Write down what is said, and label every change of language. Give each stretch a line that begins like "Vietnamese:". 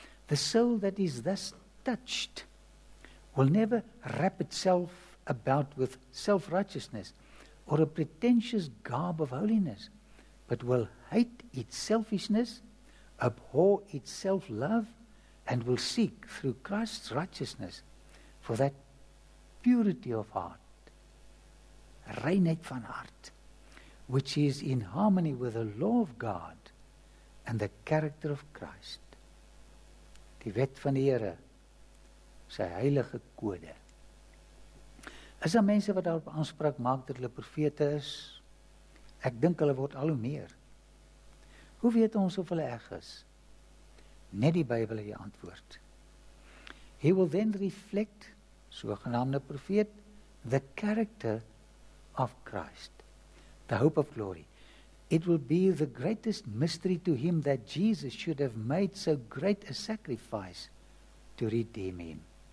English: The soul that is thus touched will never wrap itself about with self-righteousness or a pretentious garb of holiness, but will hate its selfishness, abhor its self-love, and will seek through Christ's righteousness for that purity of heart,
Afrikaans: reinheid van hart,
English: which is in harmony with the law of God and the character of Christ.
Afrikaans: Die wet van die Here, sy heilige kode. Is daar mense wat daarop aanspraak maak dat hulle profete is? Ek dink hulle word al hoe meer. Hoe weet ons of hulle reg is? Net die Bybel het die antwoord.
English: He will then reflect,
Afrikaans: sogenaamde profeet,
English: the character of Christ, the hope of glory. It will be the greatest mystery to him that Jesus should have made so great a sacrifice to redeem him.